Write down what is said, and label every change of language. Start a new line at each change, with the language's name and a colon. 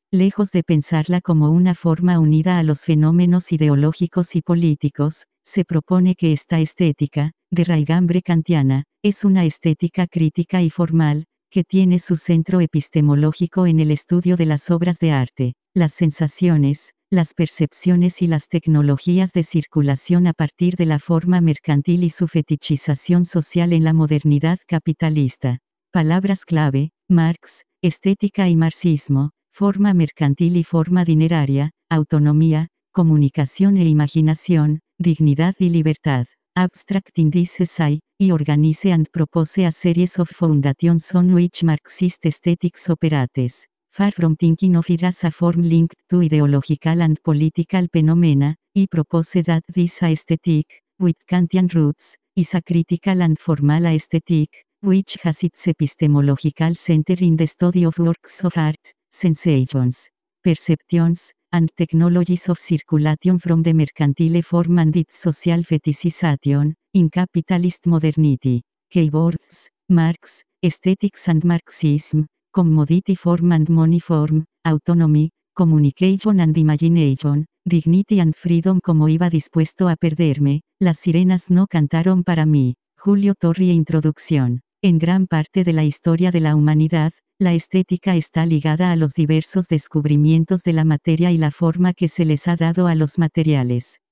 Spanish: Lejos de pensarla como una forma unida a los fenómenos ideológicos y políticos, se propone que esta estética, de raigambre kantiana, es una estética crítica y formal, que tiene su centro epistemológico en el estudio de las obras de arte, las sensaciones, las percepciones y las tecnologías de circulación a partir de la forma mercantil y su fetichización social en la modernidad capitalista. Palabras clave: Marx, estética y marxismo, forma mercantil y forma dineraria, autonomía, comunicación e imaginación, dignidad y libertad.
English: Abstract in this essay, y organize and propose a series of foundations on which Marxist aesthetics operates. Far from thinking of it as a form linked to ideological and political phenomena, y propose that this aesthetic, with Kantian roots, is a critical and formal aesthetic, which has its epistemological center in the study of works of art, sensations, perceptions, and technologies of circulation from the mercantile form and its social fetishization, in capitalist modernity. Keywords: Marx, aesthetics and Marxism, commodity form and money form, autonomy, communication and imagination, dignity and freedom.
Spanish: Como iba dispuesto a perderme, las sirenas no cantaron para mí. Julio Torri. Introducción. En gran parte de la historia de la humanidad, la estética está ligada a los diversos descubrimientos de la materia y la forma que se les ha dado a los materiales.